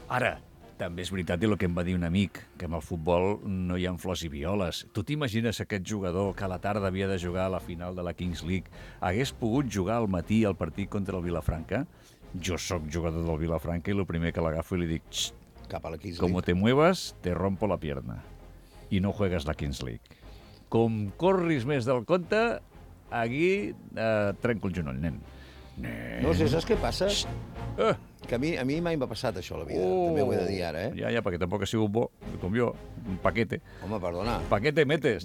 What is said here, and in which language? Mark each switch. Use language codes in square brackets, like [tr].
[ca] Ara, també és veritat el que em va dir un amic, que amb el futbol no hi ha flors i violes. Tu t'imagines aquest jugador que a la tarda havia de jugar a la final de la Kings League hagués pogut jugar al matí al partit contra el Vilafranca? Jo sóc jugador del Vilafranca i el primer que l'agafo i li dic... Cap a la Kings League. [es] Como te muevas, te rompo la pierna. I no juegues la Kings League. [ca] Com corris més del compte, aquí trenco el genoll, nen. No sé, saps què passa? Que a mi mai m'ha passat això a la vida. També ho he de dir ara, eh? Ja, perquè tampoc ha sigut bo, com jo, un paquete. Home, perdona. [es] Paquete metes,